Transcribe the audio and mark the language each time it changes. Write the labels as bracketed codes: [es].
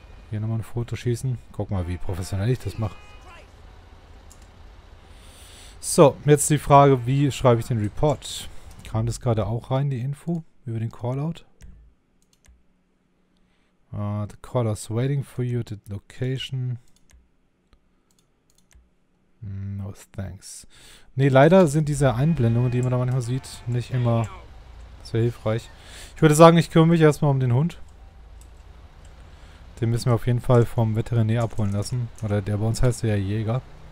[de] Hier nochmal ein Foto schießen. Guck mal, wie professionell ich das mache. So, jetzt die Frage, wie schreibe ich den Report? Kam das gerade auch rein, die Info? Über den Callout? [en] The caller's waiting for you at the location. No thanks. [de] Nee, leider sind diese Einblendungen, die man da manchmal sieht, nicht immer sehr hilfreich. Ich würde sagen, ich kümmere mich erstmal um den Hund. Den müssen wir auf jeden Fall vom Veterinär abholen lassen. Oder der bei uns heißt ja Jäger.